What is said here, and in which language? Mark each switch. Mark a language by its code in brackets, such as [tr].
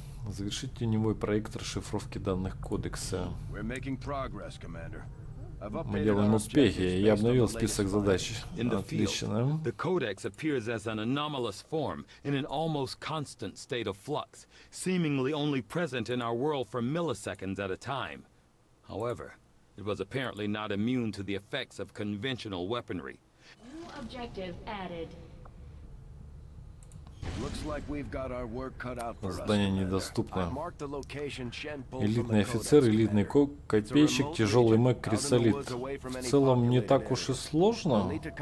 [ru] Завершить теневой проект расшифровки данных кодекса. [en] We're making progress, Commander. [ru] Мы делаем успехи. Я обновил список задач. Отлично. [en] The Codex appears as an anomalous form in an almost constant state of flux, seemingly only present in our world for milliseconds at a time. However, it was apparently not immune to the effects of conventional weaponry. New objective added. Looks like we've got our work cut out for us. [ru] Здание недоступно. Элитный офицер, элитный копейщик, тяжелый мэг, крисолит. В целом не так уж и сложно.